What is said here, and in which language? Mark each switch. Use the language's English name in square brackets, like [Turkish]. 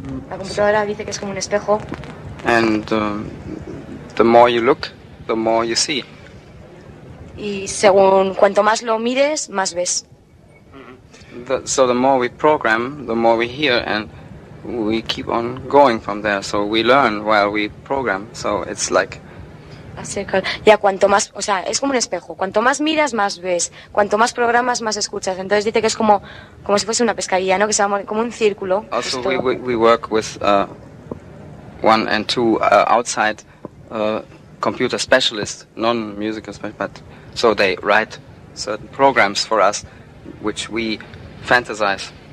[Spanish] La computadora dice que es como un espejo. [English] And the more you look, the more you see. [Spanish] Y según cuanto más lo mires, más ves. [English] So the more we program, the more we hear, and we keep on going from there. So we learn while we program. So it's like. [Spanish] Acerca. Ya cuanto más, o sea, es como un espejo. Cuanto más miras, más ves. Cuanto más programas, más escuchas. Entonces dice que es como si fuese una pescadilla, ¿no? Que se va como un círculo. Also, justo. [English] we work with one and two outside computer specialists, non-musical specialists, but so they write certain programs for us, which we fantasize.